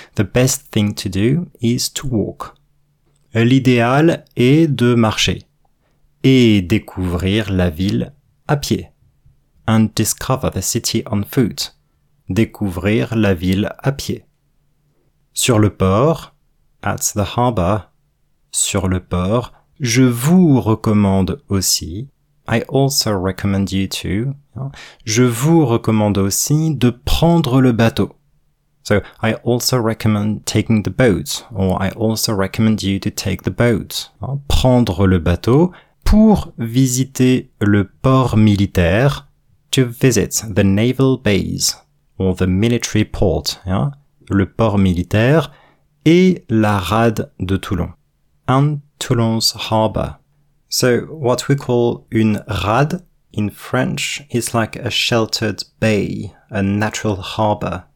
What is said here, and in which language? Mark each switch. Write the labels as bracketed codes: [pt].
[en] The best thing to do is to walk. [fr] L'idéal est de marcher et découvrir la ville à pied. [en] And discover the city on foot. [fr] Découvrir la ville à pied. Sur le port, [en] at the harbor, [fr] sur le port, je vous recommande aussi. [en] I also recommend you to. [fr] Je vous recommande aussi de prendre le bateau. [en] So, I also recommend taking the boat. Or, I also recommend you to take the boat. [fr] Prendre le bateau pour visiter le port militaire [en] to visit the naval base or the military port, yeah? [fr] Le port militaire et la rade de Toulon [en] and Toulon's harbor. So what we call une rade in French is like a sheltered bay, a natural harbor.